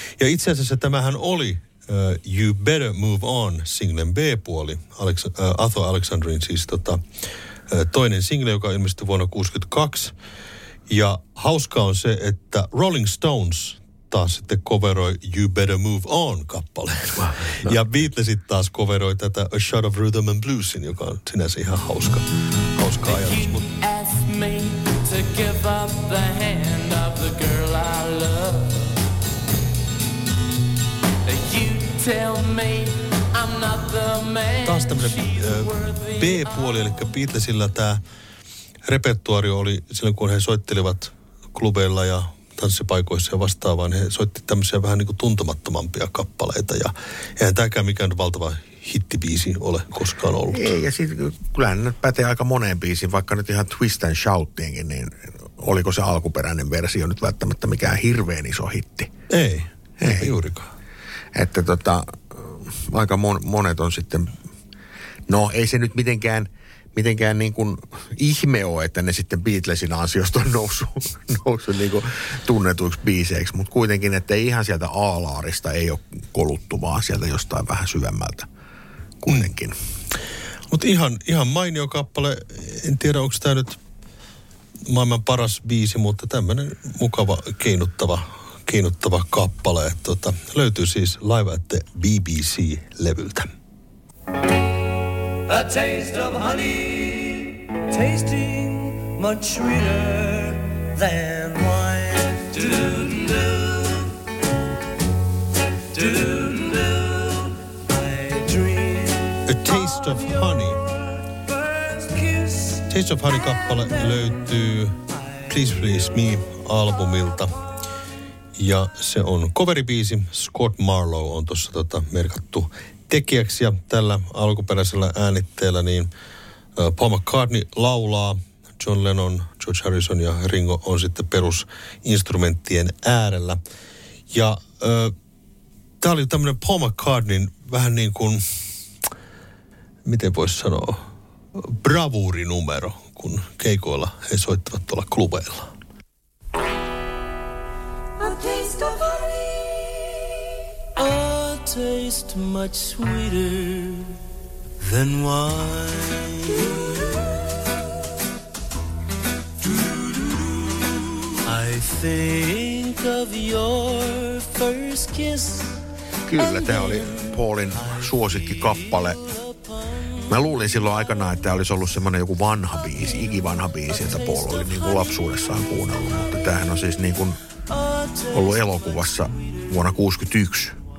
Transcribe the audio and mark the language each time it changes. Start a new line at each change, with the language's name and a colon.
Finnish: Ja itse asiassa tämähän oli You Better Move On singlen B-puoli, Arthur Alexanderin siis toinen single, joka ilmestyi vuonna 1962. Ja hauskaa on se, että Rolling Stones taas sitten coveroi You Better Move On -kappaleen. No. Ja Beatlesit taas coveroi tätä A Shot of Rhythm and Bluesin, joka on sinänsä ihan hauska ajatus.
English: He asked me to give up the hand of the girl I love. You tell me I'm not the man.
Finnish: Taas tämmöinen B-puoli, eli Beatlesillä tämä repertuaari oli silloin, kun he soittelivat klubeilla ja tanssipaikoissa ja vastaavaan. He soitti tämmöisiä vähän niin kuin tuntemattomampia kappaleita, ja eihän tämäkään mikään valtava hittibiisi ole koskaan ollut. Ei, ja sitten kyllähän nyt pätee aika moneen biisiin, vaikka nyt ihan Twist and Shoutiinkin, niin oliko se alkuperäinen versio nyt välttämättä mikään hirveän iso hitti? Ei juurikaan. Että aika monet on sitten. No, ei se nyt mitenkään niin kuin ihme ole, että ne sitten Beatlesin ansiosta on noussut niin kuin tunnetuiksi biiseiksi, mutta kuitenkin, että ihan sieltä A-laarista ei ole koluttu, vaan sieltä jostain vähän syvemmältä kuitenkin. Mutta ihan mainio kappale. En tiedä, onko tämä nyt maailman paras biisi, mutta tämmöinen mukava, kiinnuttava kappale. Tuota, löytyy siis Live at the BBC-levyltä.
English: A taste of honey, tasting much sweeter than wine. A taste of honey.
Finnish: Taste of Honey-kappale löytyy Please Please Me-albumilta. Ja se on coveribiisi. Scott Marlowe on tuossa merkattu tekijäksi. Ja tällä alkuperäisellä äänitteellä niin Paul McCartney laulaa. John Lennon, George Harrison ja Ringo on sitten perusinstrumenttien äärellä. Ja tämä oli tämmöinen Paul McCartneyn vähän niin kuin, miten voisi sanoa, bravuurinumero, kun keikoilla he soittavat tuolla klubeilla.
English: A taste of honey, a taste much sweeter than wine. I think of your first kiss.
Finnish: Kyllä, tämä oli Paulin suosikkikappale. Mä luulin silloin aikanaan, että tämä olisi ollut semmoinen joku vanha biisi, ikivanha biisi, jota Paul oli niin kuin lapsuudessaan kuunnellut. Mutta tämähän on siis niin kuin ollut elokuvassa vuonna 1961.